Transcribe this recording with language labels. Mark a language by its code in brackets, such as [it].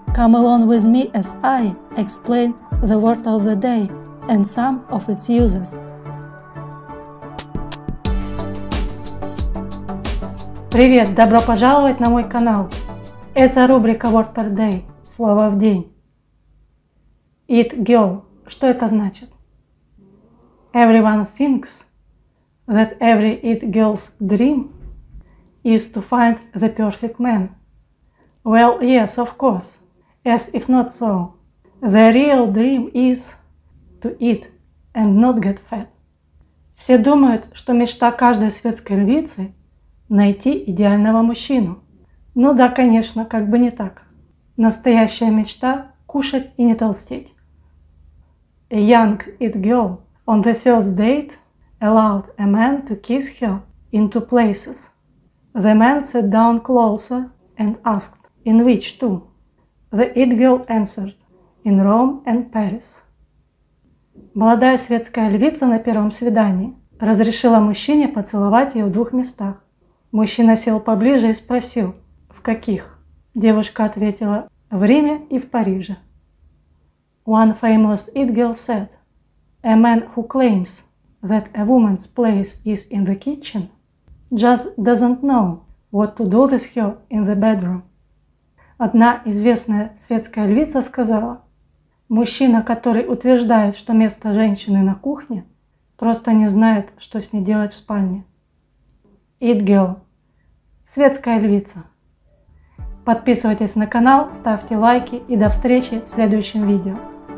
[en] Come along with me as I explain the word of the day and some of its uses. [ru] Привет, добро пожаловать на мой канал. Это рубрика Word per Day, слово в день. It girl, что это значит? [en] Everyone thinks that every it girl's dream is to find the perfect man. Well, yes, of course, as if not so. The real dream is to eat and not get fat. [ru] Все думают, что мечта каждой светской львицы – найти идеального мужчину. Ну да, конечно, как бы не так. Настоящая мечта – кушать и не толстеть. [en] A young it girl on the first date allowed a man to kiss her in two places. The man sat down closer and asked, in which two? The it girl answered, in Rome and Paris. [ru] Молодая светская львица на первом свидании разрешила мужчине поцеловать ее в двух местах. Мужчина сел поближе и спросил, в каких? Девушка ответила, в Риме и в Париже. [en] One famous it girl said, a man who claims that a woman's place is in the kitchen just doesn't know what to do with her in the bedroom. [ru] Одна известная светская львица сказала, «Мужчина, который утверждает, что место женщины на кухне, просто не знает, что с ней делать в спальне». [en] It girl. [ru] Светская львица. Подписывайтесь на канал, ставьте лайки и до встречи в следующем видео.